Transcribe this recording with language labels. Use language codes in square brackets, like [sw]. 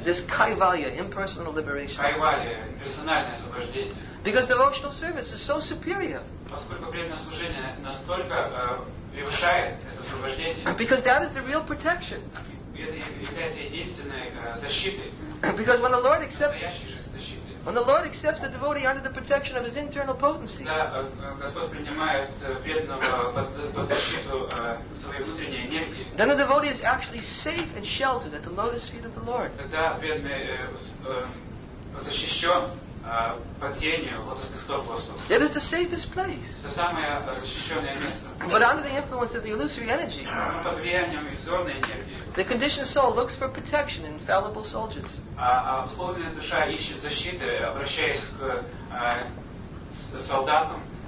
[en] This kaivalya, impersonal liberation. [ru] Kaivalya, персональное освобождение. [en] Because devotional service is so superior. [ru] Поскольку преданное служение настолько превышает это освобождение. [en] Because that is the real protection. [ru] Это является единственной защитой. [en] Because when the Lord accepts When the Lord accepts the devotee under the protection of his internal potency. [ru] Да, Господь принимает преданного под защиту своей внутренней энергии. [en] Then the devotee is actually safe and sheltered at the lotus feet of the Lord. [ru] Тогда преданный защищен под сенью лотосных стоп Господа. [en] It is the safest place. [ru] Это самое защищенное место. [en] But under the influence of the illusory energy. [ru] Под влиянием иллюзорной энергии. [en] The conditioned soul looks for protection in fallible soldiers. [ru] Обусловленная душа ищет защиты, обращаясь к солдатам.